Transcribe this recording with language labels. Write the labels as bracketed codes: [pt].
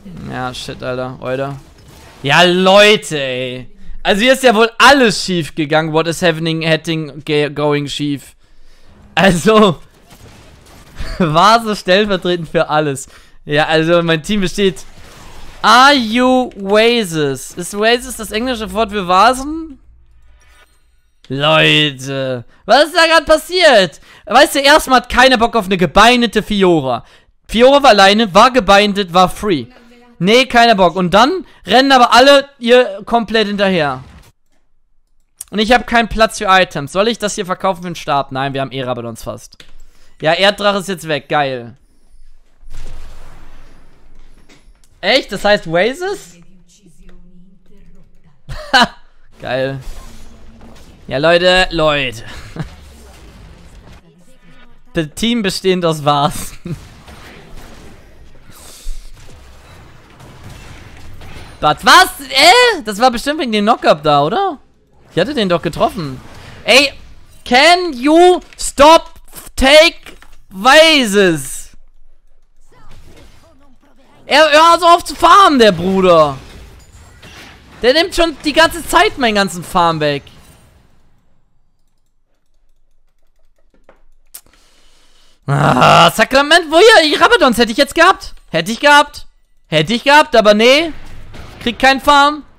[de] Ja, shit, Alter. Alter. Ja, Leute, ey. Also hier ist ja wohl alles schief gegangen. [en] What is happening, going schief. [de] Also. War so stellvertretend für alles. Ja, also mein Team besteht. [en] Are you Wazes? [de] Ist Wazes das englische Wort für Vasen? Leute, was ist da gerade passiert? Weißt du, erstmal hat keiner Bock auf eine gebeinete Fiora. Fiora war alleine, war gebeindet, war free. Nee, keiner Bock. Und dann rennen aber alle ihr komplett hinterher. Und ich habe keinen Platz für Items. Soll ich das hier verkaufen für den Stab? Nein, wir haben Erabadons fast. Ja, Erddrache ist jetzt weg. Geil. Echt? Das heißt Wazes? Geil. Ja, Leute, Leute. Das Team bestehend aus was? Was? Das war bestimmt wegen dem Knockup da, oder? Ich hatte den doch getroffen. [en] Ey, can you stop take Wazes? [de] Er hört also auf zu farmen, der Bruder. Der nimmt schon die ganze Zeit meinen ganzen Farm weg. Ah, Sakrament, wo hier? Rabadons hätte ich jetzt gehabt. Hätte ich gehabt, aber nee. Krieg keinen Farm.